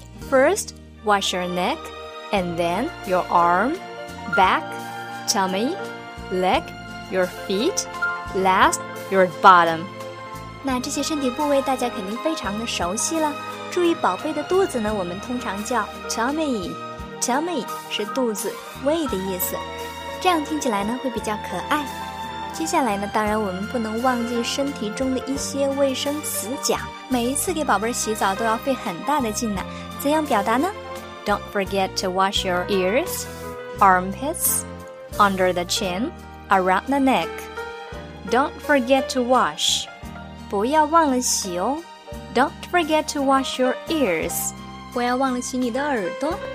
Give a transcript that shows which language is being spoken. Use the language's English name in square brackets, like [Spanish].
[English] First, wash your neck, and then your arm, back, tummy, leg, your feet, last, your bottom. [Chinese] 那这些身体部位大家肯定非常的熟悉了。注意宝贝的肚子呢，我们通常叫 tummy 是肚子、胃的意思，这样听起来呢会比较可爱。接下来呢，当然我们不能忘记身体中的一些卫生死角，每一次给宝贝洗澡都要费很大的劲呢。怎样表达呢？ [English] Don't forget to wash your ears, armpits, under the chin, around the neck. Don't forget to wash. [Chinese] 不要忘了洗哦。 [English] Don't forget to wash your ears. [Chinese] 不要忘了洗你的耳朵。